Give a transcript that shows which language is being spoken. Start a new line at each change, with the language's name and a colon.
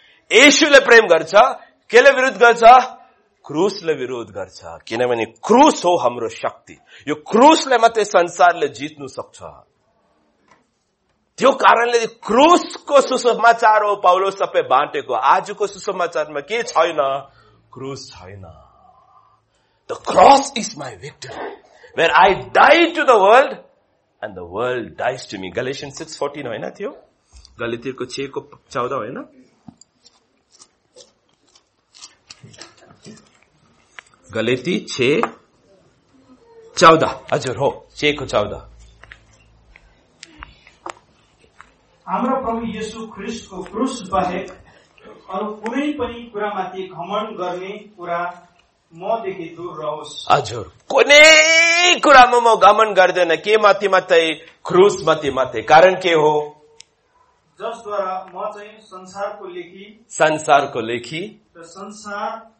Nepali: Yeshu le prem garcha, kele virudh garcha? Krus le virudh garcha. Kinabhane krus ho hamro shakti. Yo krus le mate sansar le jitnu sakcha. त्यो कारणले क्रुसको सुसमाचार हो Paulo सबै बाँटेको. आजको सुसमाचारमा के छैन, क्रुस छैन.
English: The cross is my victory, where I die to the world and the world dies to me.
Nepali: गलेसियन्स 6:14 होइन थियो, गलतीको 6:14 होइन. गलती 6:14 हजुर हो, 6:14. हाम्रो प्रभु येशु ख्रिस्टको क्रुस बाहेक अरू कुनै पनि कुरामाथि घमण्ड गर्ने कुरा मदेखि दूर रहोस्. हजुर, कुनै कुरामा म घमण्ड गर्दैन. के माथि मात्रै, क्रुस माथि मात्रै. कारण के हो, जसद्वारा म चाहिँ संसारको लेखी, र संसार